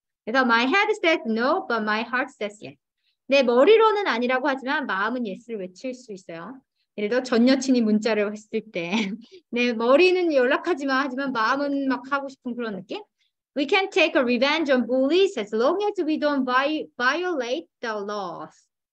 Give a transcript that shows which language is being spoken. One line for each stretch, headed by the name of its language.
English: 그래서 my head says no, but my heart says yes.
Korean: 내 머리로는 아니라고 하지만 마음은 yes를 외칠 수 있어요. 예를 들어 전 여친이 문자를 했을 때 내 머리는 연락하지 마 하지만 마음은 막 하고 싶은 그런 느낌.
English: We can take a revenge on bullies as long as we don't violate the laws.